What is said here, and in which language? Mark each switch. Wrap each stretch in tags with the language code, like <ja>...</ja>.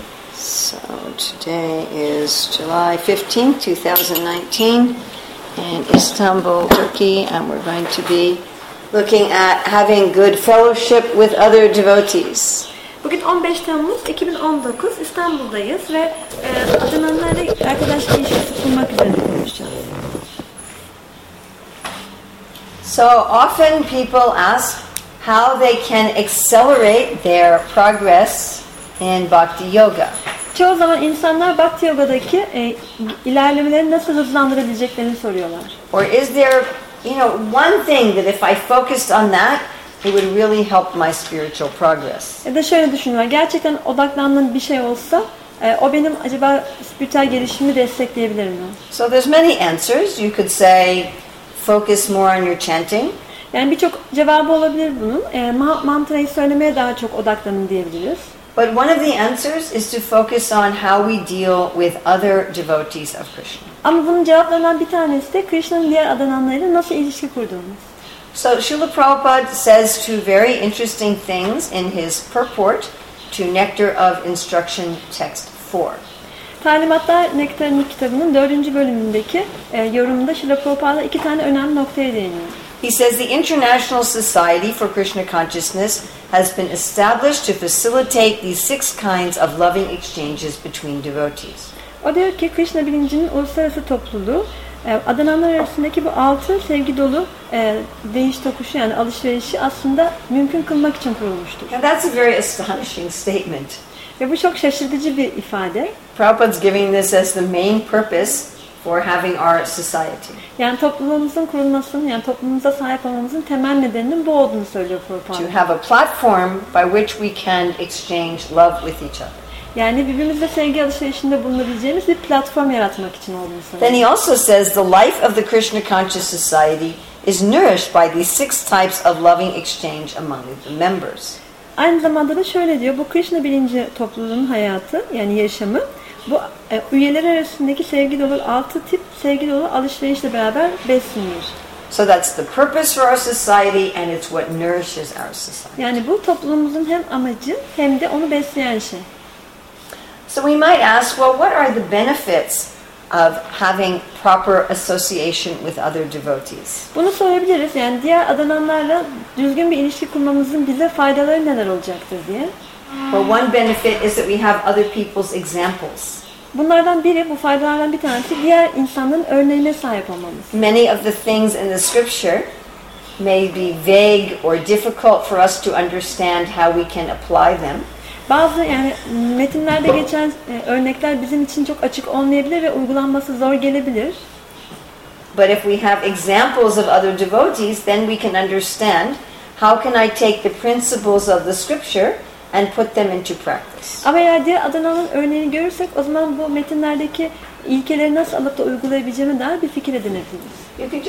<en>So today is July 15th, 2019, in Istanbul, Turkey, and we're going to be looking at having good fellowship with other devotees.</en> <tr>Bugün 15 Temmuz 2019 İstanbul'dayız ve Adana'nın arkadaş ilişkisi kurmak üzere konuşacağız.</tr> <en>So often people ask how they can accelerate their progress in bhakti yoga.</en> <tr>Çoğu zaman insanlar bhakti yogadaki ilerlemelerini nasıl hızlandırabileceklerini soruyorlar.</tr> <en>Or is there, you know, one thing that if I focused on that, it would really help my spiritual progress.</en> <tr>Ya da şöyle düşünün, gerçekten odaklandığım bir şey olsa, o benim acaba spiritüel gelişimimi destekleyebilir mi?</tr> <en>So there's many answers. You could say focus more on your chanting.</en> <tr>Yani birçok cevabı olabilir bunun. Mantrayı söylemeye daha çok odaklanın diyebiliriz.</tr> <en>But one of the answers is to focus on how we deal with other devotees of Krishna.</en> <tr>Ama bunun cevaplarından bir tanesi de Krishna'nın diğer adananlarıyla nasıl ilişki kurduğumuz.</tr> <en>So Srila Prabhupada says two very interesting things in his purport to Nectar of Instruction text 4.</en> <tr>Talimatlar Nektarının kitabının 4. bölümündeki yorumunda Srila Prabhupada iki tane önemli noktaya değiniyor.</tr> <en>He says the International Society for Krishna Consciousness has been established to facilitate these six kinds of loving exchanges between devotees.</en> <tr>O diyor ki Krishna bilincinin uluslararası topluluğu adananlar arasındaki bu altı sevgi dolu değiş tokuşu yani alışverişi aslında mümkün kılmak için kurulmuştur.</tr> <en>Now that's a very astonishing statement.</en> <tr>Ve bu çok şaşırtıcı bir ifade.</tr> <en>Prabhupada's giving this as the main purpose for having our society.</en> <tr>Yani topluluğumuzun kurulmasının, yani toplumumuza sahip olmamızın temel nedeninin bu olduğunu söylüyor Prabhupada.</tr> <en>To have a platform by which we can exchange love with each other.</en> <tr>Yani birbirimizle sevgi alışverişinde bulunabileceğimiz bir platform yaratmak için olduğunu söylüyor.</tr> <en>Then he also says the life of the Krishna conscious society is nourished by these six types of loving exchange among the members.</en> <tr>Aynı zamanda da şöyle diyor, bu Krishna bilinci topluluğunun hayatı, yani yaşamı, bu üyeler arasındaki sevgi dolu altı tip sevgi dolu alışverişle beraber besleniyor.</tr> <en>So that's the purpose for our society and it's what nourishes our society.</en> <tr>Yani bu toplumumuzun hem amacı hem de onu besleyen şey.</tr> <en>So we might ask, well, what are the benefits of having proper association with other devotees?</en> <tr>Bunu sorabiliriz. Yani diğer adananlarla düzgün bir ilişki kurmamızın bize faydaları neler olacaktır diye.</tr> <en>Well, one benefit is that we have other people's examples.</en> <tr>Bunlardan biri, bu faydalardan bir tanesi diğer insanların örneğine sahip olmamız.</tr> <en>Many of the things in the scripture may be vague or difficult for us to understand how we can apply them.</en> <tr>Bazı yani metinlerde geçen örnekler bizim için çok açık olmayabilir ve uygulanması zor gelebilir.</tr> <en>But if we have examples of other devotees, then we can understand how can I take the principles of the scripture and put them into practice.</en> <tr>Ama eğer diğer adananın örneğini görürsek o zaman bu metinlerdeki ilkeleri nasıl alıp da uygulayabileceğime dair bir fikir edinebiliriz.</tr>